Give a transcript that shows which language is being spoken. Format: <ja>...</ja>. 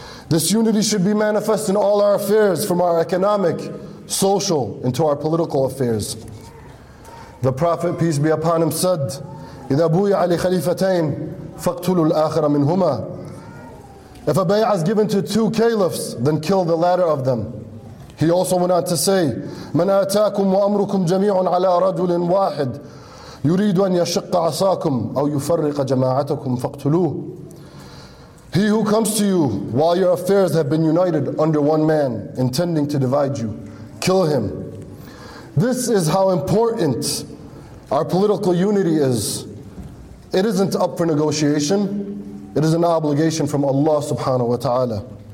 <en>This unity should be manifest in all our affairs, from our economic, social, and to our political affairs. The Prophet, peace be upon him, said,</en> <ar>إِذَا بُوِعَ لِخَلِيفَتَيْنِ فَاقْتُلُوا الْآخِرَ مِنْهُمَا.</ar> <en>If a bay'ah is given to two caliphs, then kill the latter of them. He also went on to say,</en> <ar>مَنْ آتَاكُمْ وَأَمْرُكُمْ جَمِيعٌ عَلَىٰ رَجُلٍ وَاحِدٍ يُرِيدُ أَنْ يَشِقَّ عَصَاكُمْ أَوْ يُفَرِّقَ جَمَاعَتَكُمْ فَاقْتُلُوهُ.</ar> <en>He who comes to you while your affairs have been united under one man, intending to divide you, kill him. This is how important our political unity is. It isn't up for negotiation. It is an obligation from Allah subhanahu wa ta'ala.</en>